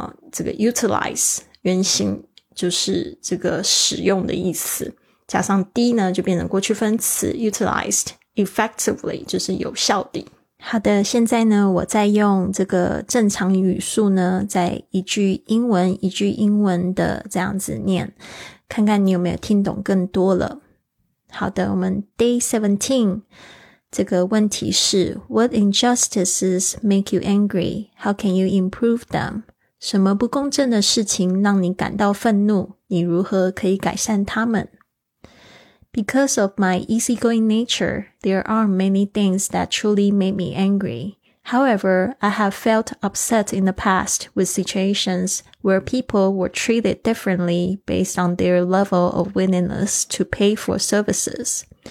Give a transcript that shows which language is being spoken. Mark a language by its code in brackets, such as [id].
[zh] 这个 utilize 原型就是这个使用的意思，加上 d 呢就变成过去分词 [en] utilized effectively, [zh] 就是有效的。好的，现在呢我再用这个正常语速呢，在一句英文一句英文的这样子念，看看你有没有听懂更多了。好的，我们 [en] day 17 [zh] 这个问题是 [en] What injustices make you angry? How can you improve them? [zh] 什么不公正的事情让你感到愤怒？你如何可以改善它们？ [en] Because of my easygoing nature, there are many things that truly make me angry. However, I have felt upset in the past with situations where people were treated differently based on their level of willingness to pay for services.